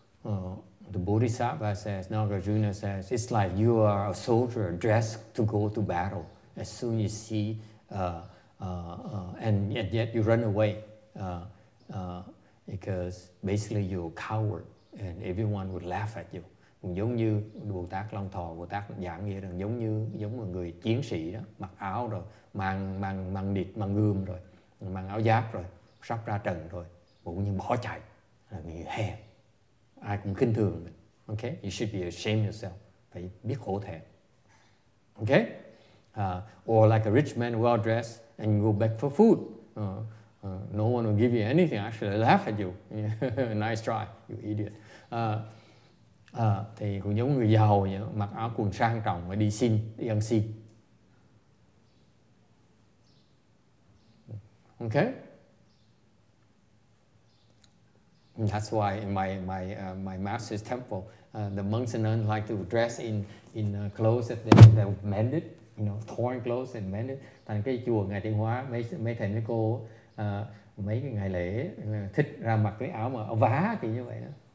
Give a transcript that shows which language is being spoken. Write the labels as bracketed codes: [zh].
[en] The Bodhisattva says, Nagarjuna says, it's like you are a soldier dressed to go to battle. As soon as you see, and yet you run away because basically you're a coward and everyone would laugh at you. [vi] Giống như Bồ Tát Long Thọ, Bồ Tát giảng nghĩa rằng giống một người chiến sĩ đó, mặc áo rồi, mang địt, mang gươm rồi, mang áo giáp rồi, sắp ra trận rồi, cũng như bỏ chạy, là người hèn, ai cũng khinh thường mình. [en] Okay, you should be ashamed of yourself, [vi] phải biết hổ thẹn. [en] Okay, or like a rich man well dressed and go back for food, no one will give you anything, actually laugh at you, nice try, you idiot. [vi] Thì cũng giống người giàu vậy, mặc áo quần sang trọng và đi xin, đi ăn xin. [en] Okay. And that's why in my master's temple, the monks and nuns like to dress in clothes that they mended, you know, torn clothes and mended. [vi] Thành cái chùa ngày Tiên Hóa, mấy thầy mấy cô mấy cái ngày lễ thích ra mặc cái áo mà vá kiểu như vậy đó.